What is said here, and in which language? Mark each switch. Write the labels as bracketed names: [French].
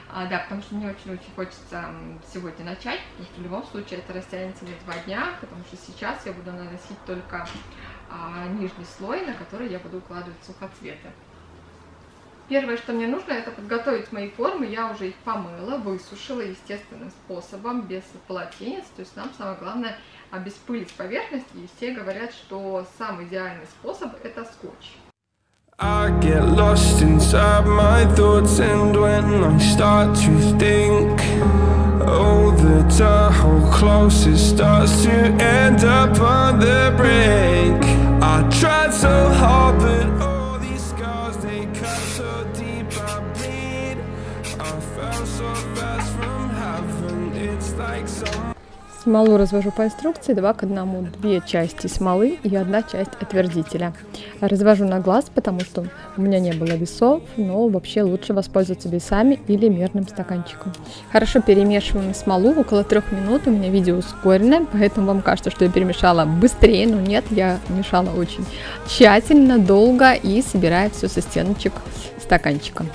[Russian] Да, потому что мне очень-очень хочется сегодня начать, потому что в любом случае это растянется на 2 дня, потому что сейчас я буду наносить только нижний слой, на который я буду укладывать сухоцветы. Первое, что мне нужно, это подготовить мои формы. Я уже их помыла, высушила естественным способом, без полотенец. То есть нам самое главное обеспылить поверхность. И все говорят, что самый идеальный способ – это скотч. [English] I get lost inside my thoughts, and when I start to think, oh, the tunnel closest starts to end up on the brink. I tried so hard, but all these scars, they cut so deep I bleed. I fell so fast from heaven, it's like some... [Russian] Смолу развожу по инструкции 2:1. Две части смолы и 1 часть отвердителя. Развожу на глаз, потому что у меня не было весов, но вообще лучше воспользоваться весами или мерным стаканчиком. Хорошо перемешиваем смолу, около 3 минут, у меня видео ускоренное, поэтому вам кажется, что я перемешала быстрее, но нет, я мешала очень тщательно, долго и собираю все со стеночек стаканчиком.